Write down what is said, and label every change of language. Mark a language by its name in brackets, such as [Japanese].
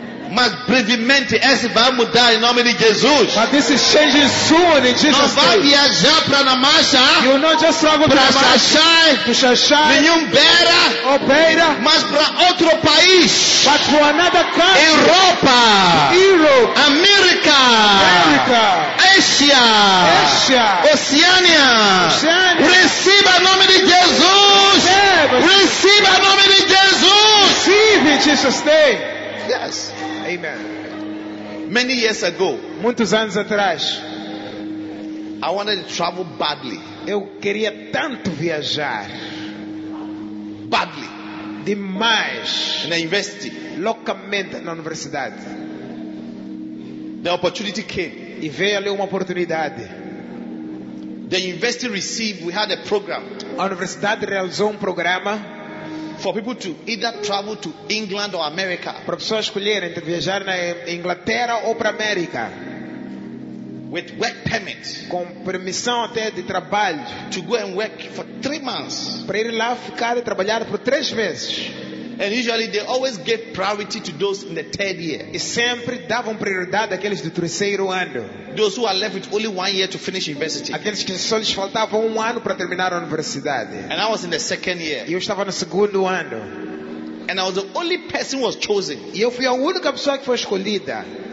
[Portuguese] Mas brevemente esse vai mudar em nome de Jesus. [English] But this is changing soon in Jesus' name. [Portuguese] Não vai viajar para Namasha. [English] You will not just travel [Portuguese] para Namasha. Para Shashai. Nenhum beira. Ou beira. Mas para outro país. [English] But to another country. [Portuguese] Europa. [English] Europe. [Portuguese] América. [English] América. [Portuguese] Ásia. [English] Ásia. [Portuguese] Oceania. [English] Oceania. [Portuguese] Receba em nome de Jesus. [English] Yeah, [Portuguese] receba em nome de Jesus. [English] Receive in Jesus' name. Yes. Amen. Many years ago, [Portuguese] muitos anos atrás, [English] I wanted to travel badly. [Portuguese] Eu queria tanto viajar. [English] Badly. [Portuguese] Demais. [English] Na university. [Portuguese] Locamente na universidade. [English] The opportunity came. [Portuguese] E veio ali uma oportunidade. [English] The university received, we had a program. [Portuguese] A universidade realizou programa. [English] For people to either travel to England or America. [Portuguese] Para pessoas escolherem entre viajar na Inglaterra ou para América. [English] With work permit. [Portuguese] Com permissão até de trabalho. [English] To go and work for 3 months. [Portuguese] Para ir lá ficar e trabalhar por 3 meses. [English] And usually they always gave priority to those in the third year. [Portuguese] E sempre davam prioridade àqueles do terceiro ano. [English] Those who are left with only 1 year to finish university. [Portuguese] Aqueles que só lhes faltava 1 ano para terminar a universidade. [English] And I was in the second year. [Portuguese] E eu estava no segundo ano. [English] And I was the only person who was chosen. [Portuguese] E eu fui a única pessoa que foi escolhida.